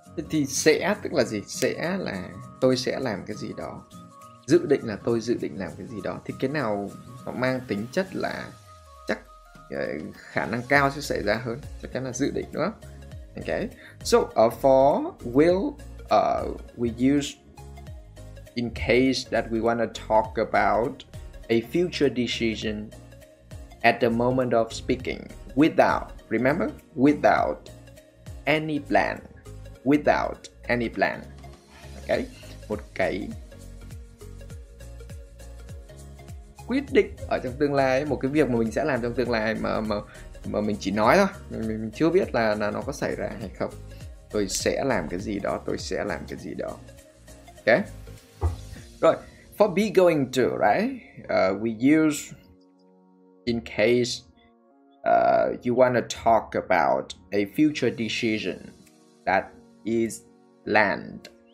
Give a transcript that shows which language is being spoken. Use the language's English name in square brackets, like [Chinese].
[Vietnamese] Thì sẽ tức là gì? Sẽ là tôi sẽ làm cái gì đó. Dự định là tôi dự định làm cái gì đó. Thì cái nào nó mang tính chất là chắc khả năng cao sẽ xảy ra hơn, chắc chắn là dự định đúng không? [English] Okay. So for will, we use in case that we want to talk about a future decision at the moment of speaking without, remember, without any plan, without any plan. Okay. [Vietnamese] Một cái quyết định ở trong tương lai, một cái việc mà mình sẽ làm trong tương lai mà mình chỉ nói thôi, mình chưa biết là nó có xảy ra hay không. Tôi sẽ làm cái gì đó, tôi sẽ làm cái gì đó. [English] Ok. Rồi, for be going to, right? We use in case you want to talk about a future decision that is planned.